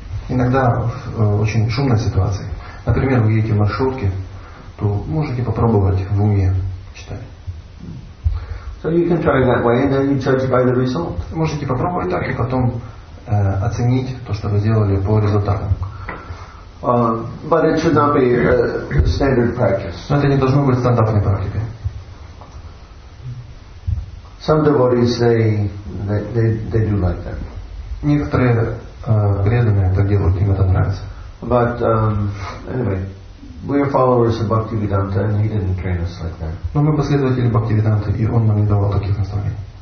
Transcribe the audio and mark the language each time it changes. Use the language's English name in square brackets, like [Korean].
[Russian] Иногда в очень шумной ситуации, например, вы едете в маршрутке, то можете попробовать в уме читать. [English] So you can try that way, and then you judge by the result. [Russian] Можете попробовать так и потом оценить то, что вы сделали по результатам. [English] But it should not be standard practice. [Russian] Но это не должно быть стандартной практикой. [English] Some devotees they do like that. [Russian] Некоторые преданные это делают, им это нравится. [English] But anyway, we are followers of Bhaktivedanta, and he didn't train us like that. [Russian] Но мы последователи Бхактивиданты, и он нам не давал таких наставлений.